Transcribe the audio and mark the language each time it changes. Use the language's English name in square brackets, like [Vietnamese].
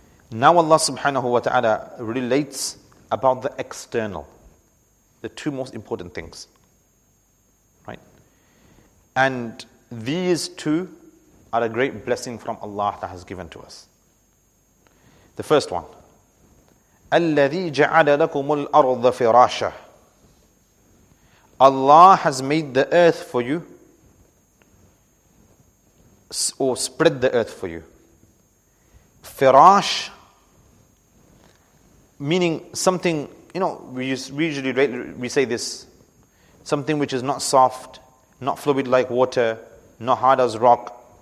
[English] Now Allah subhanahu wa ta'ala relates about the external, the two most important things. Right? And these two are a great blessing from Allah that has given to us. [Arabic] The first one, الَّذِي جَعَلَ لَكُمُ الْأَرْضَ فِرَاشًا. [English] Allah has made the earth for you, or spread the earth for you. فِرَاش, meaning something, you know, we usually say this, something which is not soft, not fluid like water, not hard as rock.